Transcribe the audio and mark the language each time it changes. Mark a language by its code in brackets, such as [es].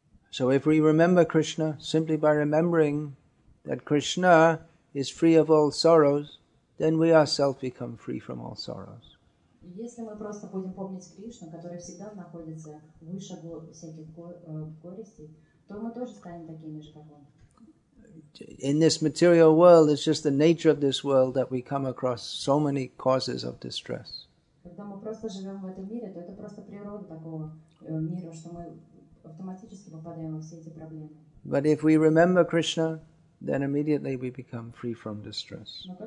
[en] So if we remember Krishna, simply by remembering that Krishna is free of all sorrows, then we ourselves become free from all sorrows. [ru] Если мы просто будем помнить Кришну, который всегда находится выше всяких горестей, то мы тоже станем такими же, как он. [en] In this material world, it's just the nature of this world that we come across so many causes of distress. [ru] Когда мы просто живем в этом мире, то это просто природа такого мира, что мы автоматически попадаем во все эти проблемы. [en] But if we remember Krishna, then immediately we become free from distress.